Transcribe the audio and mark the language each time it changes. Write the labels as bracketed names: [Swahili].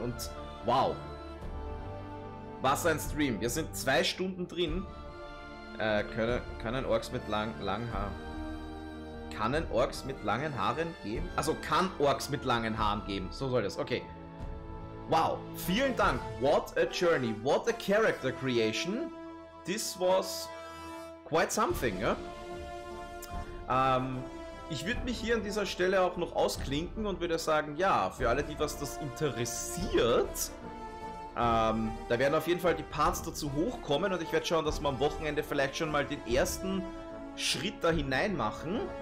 [German] Und wow, was ein Stream. Wir sind 2 Stunden drin. Können Orks mit langen Haaren... Können Orks mit langen Haaren geben? Also kann Orks mit langen Haaren geben. So soll das. Okay. Wow, vielen Dank. [English] What a journey. What a character creation. This was quite something, ja? [German] Ich würde mich hier an dieser Stelle auch noch ausklinken und würde sagen, ja, für alle, die was das interessiert, da werden auf jeden Fall die Parts dazu hochkommen und ich werde schauen, dass wir am Wochenende vielleicht schon mal den ersten Schritt da hinein machen.